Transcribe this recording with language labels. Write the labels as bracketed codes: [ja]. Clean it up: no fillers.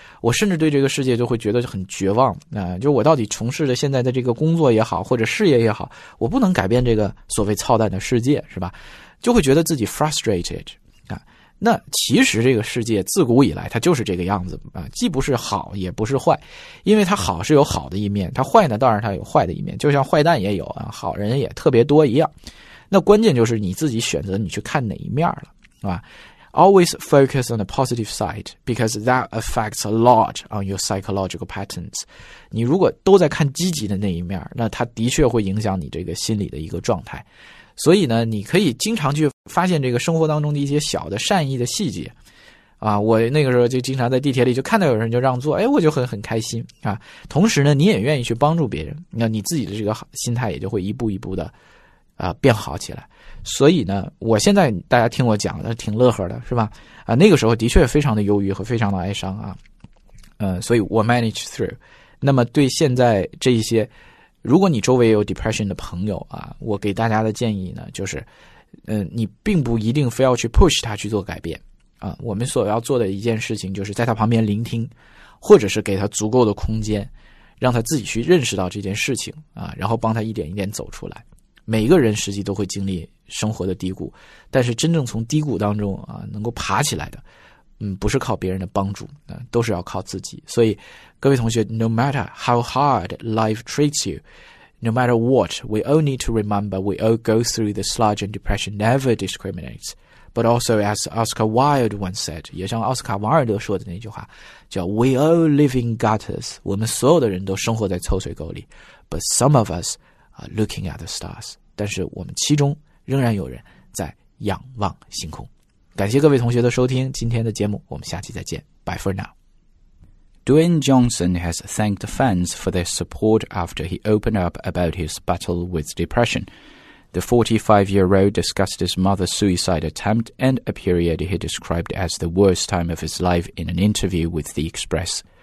[zh] 我甚至对这个世界就会觉得很绝望啊，就我到底从事着现在的这个工作也好或者事业也好，我不能改变这个所谓操蛋的世界是吧，就会觉得自己 frustrated 啊。那其实这个世界自古以来它就是这个样子啊，既不是好也不是坏，因为它好是有好的一面，它坏呢当然它有坏的一面，就像坏蛋也有啊，好人也特别多一样。那关键就是你自己选择你去看哪一面了，是吧？ [en] Always focus on the positive side because that affects a lot on your psychological patterns. [zh] 你如果都在看积极的那一面，那它的确会影响你这个心理的一个状态。所以呢，你可以经常去发现这个生活当中的一些小的善意的细节啊，我那个时候就经常在地铁里就看到有人就让座，我就很开心啊。同时呢，你也愿意去帮助别人，那你自己的这个心态也就会一步一步的变好起来。所以呢我现在大家听我讲的挺乐呵的是吧，那个时候的确非常的忧郁和非常的哀伤啊，所以我 [en] manage through。 [zh] 那么对现在这一些如果你周围有 depression 的朋友啊，我给大家的建议呢就是你并不一定非要去 push 他去做改变啊。我们所要做的一件事情就是在他旁边聆听，或者是给他足够的空间，让他自己去认识到这件事情啊，然后帮他一点一点走出来。每个人实际都会经历生活的低谷，但是真正从低谷当中啊能够爬起来的，不是靠别人的帮助，都是要靠自己。所以各位同学， [en] No matter how hard life treats you, No matter what, we all need to remember we all go through the sludge and depression never discriminates. But also as Oscar Wilde once said, [zh] 也像奥斯卡王尔德说的那句话叫 [en] We all live in gutters, [zh] 我们所有的人都生活在臭水沟里。 [en] But some of us are looking at the stars. [zh] 但是我们其中仍然有人在仰望星空。感谢各位同学的收听今天的节目，我们下期再见。 [en] Bye for now. Dwayne Johnson has thanked fans for their support after he opened up about his battle with depression. The 45-year-old discussed his mother's suicide attempt and a period he described as the worst time of his life in an interview with The Express.